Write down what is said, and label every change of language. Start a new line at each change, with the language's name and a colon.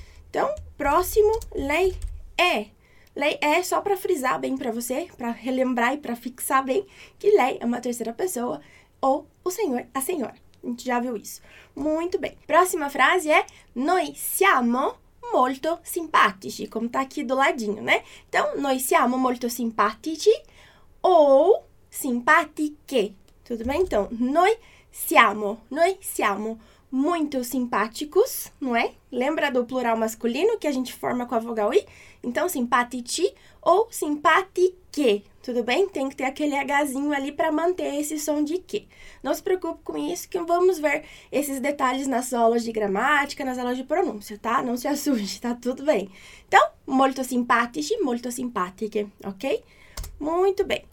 Portuguese: Então, próximo, lei é. Lei é só para frisar bem para você, para relembrar e para fixar bem que lei é uma terceira pessoa ou o senhor, a senhora. A gente já viu isso. Muito bem. Próxima frase é:
Italian: Noi siamo molto simpatici,
Portuguese: como tá aqui do ladinho, né?
Italian: Então, noi siamo molto simpatici ou simpatiche.
Portuguese: Tudo bem? Então,
Italian: noi siamo
Portuguese: muito simpáticos, não é? Lembra do plural masculino que a gente forma com a vogal i? Então, simpatici ou simpatiche. Tudo bem? Tem que ter aquele Hzinho ali para manter esse som de que. Não se preocupe com isso, que vamos ver esses detalhes nas aulas de gramática, nas aulas de pronúncia, tá? Não se assuste, tá tudo bem. Então,
Italian: molto simpatici, molto simpatiche,
Portuguese: ok? Muito bem.